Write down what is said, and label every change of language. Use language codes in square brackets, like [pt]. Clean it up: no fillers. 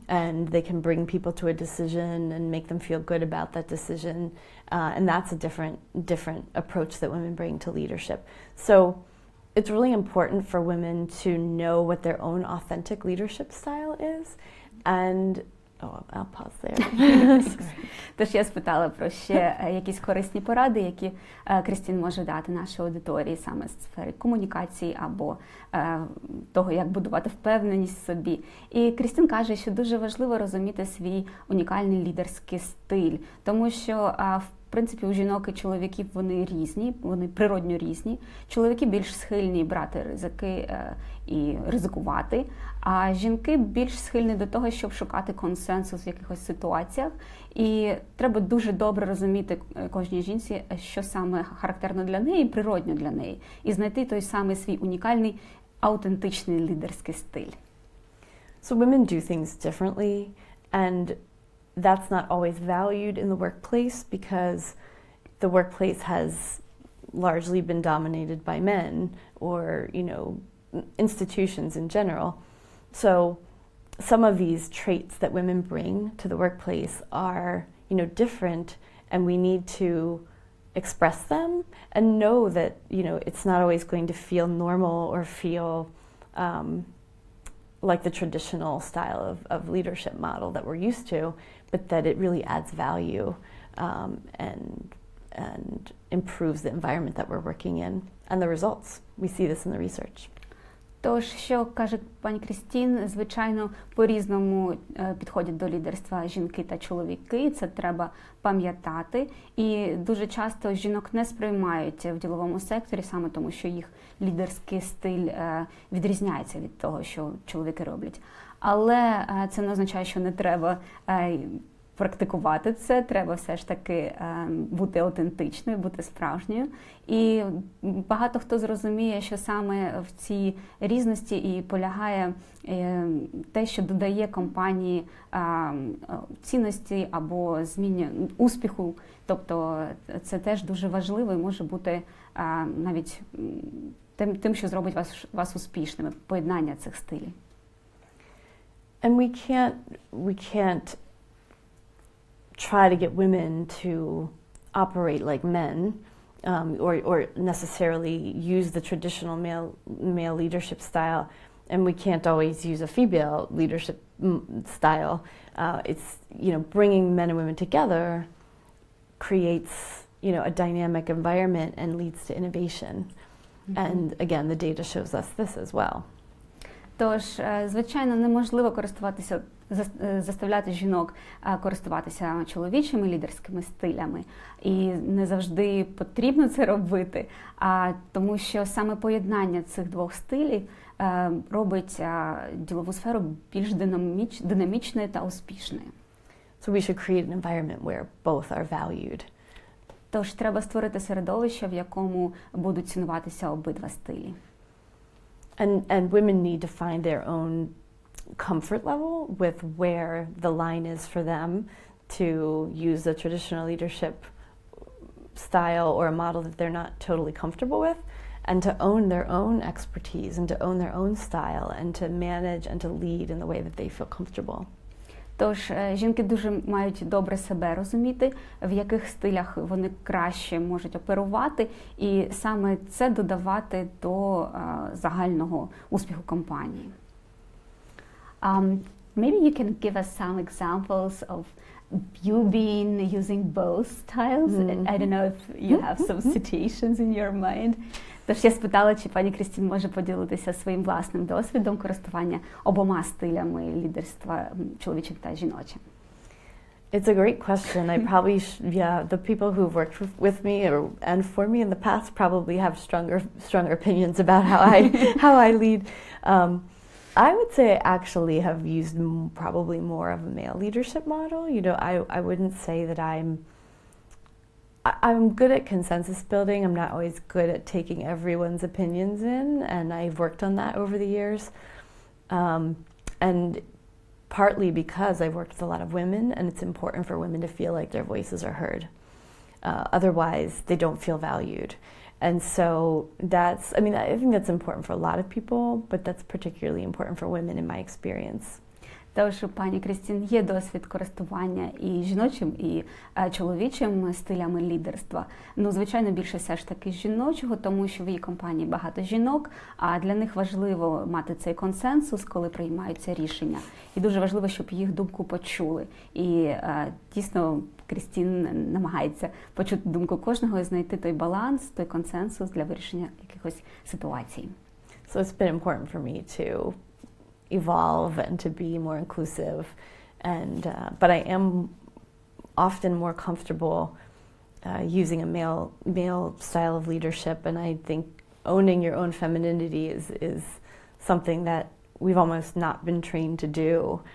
[en] and they can bring people to a decision and make them feel good about that decision. And that's a different approach that women bring to leadership. So it's really important for women to know what their own authentic leadership style is. And, I'll pause there. [uk] Тож я спитала про ще якісь корисні поради, які Кристин може дати нашій аудиторії саме з сфери комунікації або того, як будувати впевненість в собі. І Кристин каже, що дуже важливо розуміти свій унікальний лідерський стиль, тому що принципі, у жінок і чоловіків вони різні, вони природньо різні. Чоловіки більш схильні брати ризики і ризикувати, а жінки більш схильні до того, щоб шукати консенсус в якихось ситуаціях. І треба дуже добре розуміти кожній жінці, що саме характерно для неї, природньо для неї, і знайти той самий свій унікальний аутентичний лідерський стиль. [en] So women do things differently, and that's not always valued in the workplace because the workplace has largely been dominated by men or, you know, institutions in general. So some of these traits that women bring to the workplace are, you know, different, and we need to express them and know that, you know, it's not always going to feel normal or feel like the traditional style of leadership model that we're used to, but that it really adds value and improves the environment that we're working in and the results. We see this in the research. [uk] Тож, що каже пані Крістін, звичайно, по-різному підходять до лідерства жінки та чоловіки, це треба пам'ятати. І дуже часто жінок не сприймають в діловому секторі, саме тому, що їх лідерський стиль відрізняється від того, що чоловіки роблять. Але це не означає, що не треба практикувати це, треба все ж таки бути аутентичною, бути справжньою. І багато хто зрозуміє, що саме в цій різності і полягає те, що додає компанії цінності або зміни успіху. Тобто це теж дуже важливо і може бути навіть тим, що зробить вас успішними, поєднання цих стилів. [en] And we can't try to get women to operate like men or necessarily use the traditional male leadership style, and we can't always use a female leadership style. It's, you know, bringing men and women together creates, you know, a dynamic environment and leads to innovation. Mm-hmm. And again, the data shows us this as well. [uk] Тож, звичайно, неможливо користуватися заставляти жінок користуватися чоловічими лідерськими стилями. І не завжди потрібно це робити, а тому що саме поєднання цих двох стилів робить ділову сферу більш динамічною та успішною. [en] So we should create an environment where both are valued. [uk] Тож треба створити середовище, в якому будуть цінуватися обидва стилі. [en] And women need to find their own comfort level with where the line is for them to use a traditional leadership style or a model that they're not totally comfortable with, and to own their own expertise and to own their own style and to manage and to lead in the way that they feel comfortable. [uk] Тож, жінки дуже мають добре себе розуміти, в яких стилях вони краще можуть оперувати, і саме це додавати до загального успіху компанії. [en] Maybe you can give us some examples of you being using both styles. Mm-hmm. I don't know if you have some situations in your mind. [uk] Тож я спитала, чи пані Крістін може поділитися своїм власним досвідом користування обома стилями лідерства чоловічим та жіночим. [en] It's a great question. I probably the people who've worked with me and for me in the past probably have stronger opinions about how I lead. I would say I actually have used probably more of a male leadership model. You know, I wouldn't say that I'm good at consensus building. I'm not always good at taking everyone's opinions in, and I've worked on that over the years. And partly because I've worked with a lot of women, and it's important for women to feel like their voices are heard. Otherwise, they don't feel valued. And so I think that's important for a lot of people, but that's particularly important for women in my experience. [uk] Тож, пані Крістін, є досвід користування і жіночим, і чоловічим стилями лідерства. Ну, звичайно, більше все ж таки жіночого, тому що в її компанії багато жінок, а для них важливо мати цей консенсус, коли приймаються рішення. І дуже важливо, щоб їх думку почули. І дійсно, Крістін намагається почути думку кожного і знайти той баланс, той консенсус для вирішення якихось ситуацій. [en] So it's been important for me too. Evolve and to be more inclusive, but I am often more comfortable using a male style of leadership, and I think owning your own femininity is something that we've almost not been trained to do.